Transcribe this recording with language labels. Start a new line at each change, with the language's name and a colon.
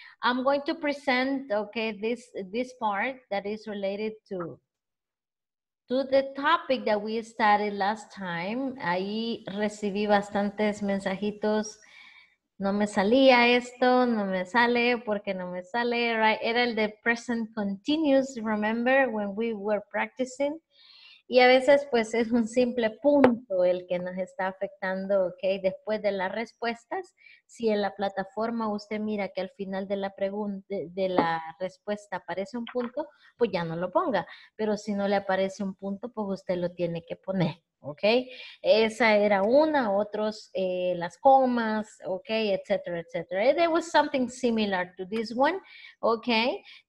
English: I'm going to present, okay, this part that is related to the topic that we started last time.
Spanish: Ahí recibí bastantes mensajitos. No me salía esto, no me sale, porque no me sale, right? Era el de
English: present continuous, remember, when we were practicing.
Spanish: Y a veces, pues, es un simple punto el que nos está afectando, okay? Después de las respuestas, si en la plataforma usted mira que al final de la pregunta, de la respuesta aparece un punto, pues ya no lo ponga. Pero si no le aparece un punto, pues usted lo tiene que poner, okay? Esa era una, otros, las comas, okay, etc., etc.
English: There was something similar to this one, okay?